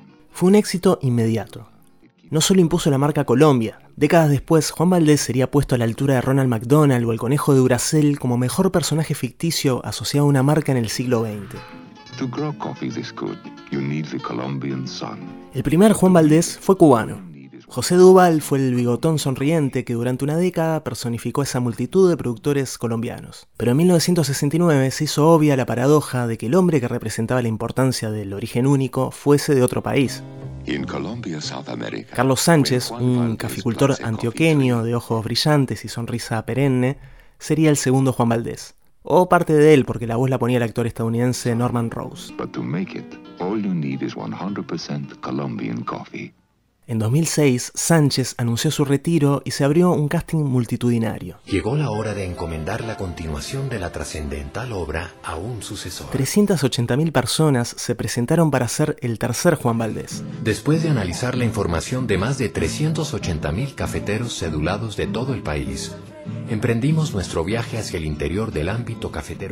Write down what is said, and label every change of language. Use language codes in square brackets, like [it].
[es] Fue un éxito inmediato. No solo impuso la marca Colombia. Décadas después, Juan Valdés sería puesto a la altura de Ronald McDonald o el Conejo de Duracell como mejor personaje ficticio asociado a una marca en el siglo XX. [en] To grow coffee this good, you need the Colombian sun. [es] El primer Juan Valdés fue cubano. José Duval fue el bigotón sonriente que durante una década personificó a esa multitud de productores colombianos. Pero en 1969 se hizo obvia la paradoja de que el hombre que representaba la importancia del origen único fuese de otro país. [en] In Colombia, South America, [es] Carlos Sánchez, un caficultor antioqueño de ojos brillantes y sonrisa perenne, sería el segundo Juan Valdés. O parte de él, porque la voz la ponía el actor estadounidense Norman Rose. [en] But to make it, all you need is 100% Colombian coffee. [es] En 2006, Sánchez anunció su retiro y se abrió un casting multitudinario. Llegó la hora de encomendar la continuación de la trascendental obra a un sucesor. 380.000 personas se presentaron para ser el tercer Juan Valdés. Después de analizar la información de más de 380.000 cafeteros sedulados de todo el país, emprendimos nuestro viaje hacia el interior del ámbito cafetero.